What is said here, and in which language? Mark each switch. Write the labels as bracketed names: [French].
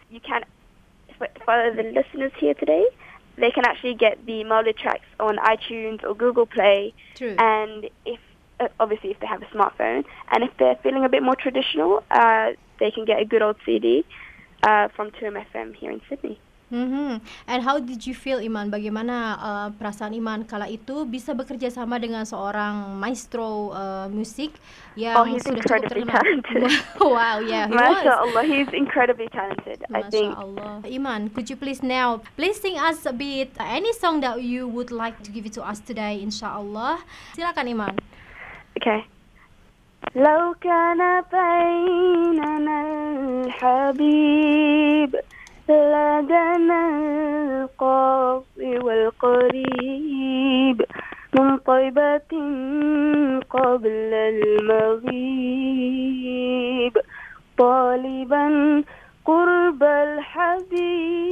[English] You can, for the listeners here today, they can actually get the Maulid tracks on iTunes or Google Play. True. And if obviously if they have a smartphone, and if they're feeling a bit more traditional, they can get a good old CD from 2MFM here in Sydney. Mm-hmm. And how did you feel, Iman? [Indonesian] Bagaimana perasaan Iman kala itu bisa bekerja sama dengan seorang maestro musik yang sudah cukup terkenal? [English] Masya Allah, he's incredibly talented. Iman, could you please now please sing us a bit any song that you would like to give it to us today, [Malay] insyaAllah. [Indonesian] Silakan, Iman. [English] Okay. [Arabic] لو كان بيننا الحبيب لدنا القاضي والقريب من طيبة قبل المغيب طالبا قرب الحبيب